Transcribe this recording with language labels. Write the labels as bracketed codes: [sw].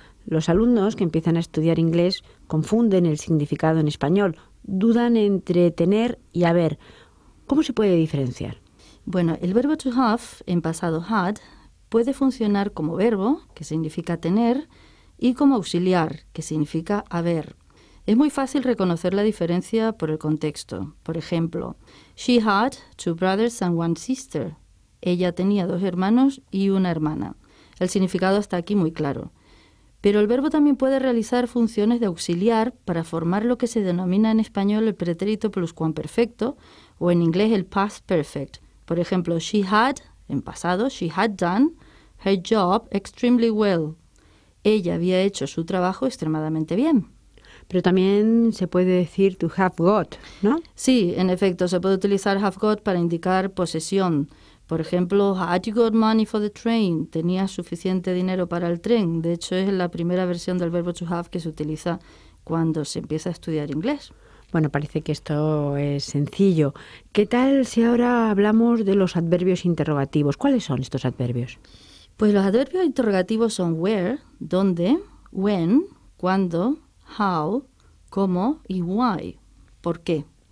[es] Los alumnos que empiezan a estudiar inglés confunden el significado en español, dudan entre tener y haber. ¿Cómo se puede diferenciar? Bueno, el verbo to have, en pasado had, puede funcionar como verbo, que significa tener, y como auxiliar, que significa haber. Es muy fácil reconocer la diferencia por el contexto. Por ejemplo, [en] she had two brothers and one sister. [es] Ella tenía dos hermanos y una hermana. El significado está aquí muy claro. Pero el verbo también puede realizar funciones de auxiliar para formar lo que se denomina en español el pretérito pluscuamperfecto o en inglés el past perfect. Por ejemplo, [en] she had, [es] en pasado, [en] she had done her job extremely well. [es] Ella había hecho su trabajo extremadamente bien. Pero también se puede decir to have got, ¿no? Sí, en efecto, se puede utilizar have got para indicar posesión. Por ejemplo, [en] had you got money for the train? [es] ¿Tenías suficiente dinero para el tren? De hecho, es la primera versión del verbo to have que se utiliza cuando se empieza a estudiar inglés. Bueno, parece que esto es sencillo. ¿Qué tal si ahora hablamos de los adverbios interrogativos? ¿Cuáles son estos adverbios? Pues los adverbios interrogativos son where, dónde, when, cuándo, how, cómo y why, por qué.